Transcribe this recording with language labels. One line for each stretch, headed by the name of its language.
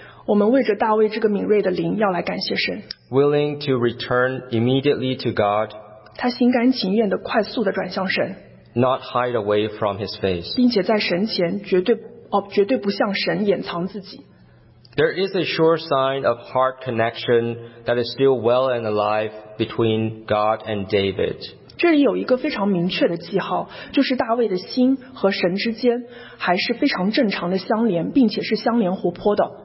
Chinese: 我们为着大卫这个敏锐的灵要来感谢神。
English: Willing to return immediately to God.
Chinese: 他心甘情愿地快速地转向神。
English: Not hide away from his face.
Chinese: 并且在神前绝对不向神掩藏自己。
English: There is a sure sign of heart connection that is still well and alive between God and David.
Chinese: 这里有一个非常明确的记号，就是大卫的心和神之间还是非常正常的相连，并且是相连活泼的。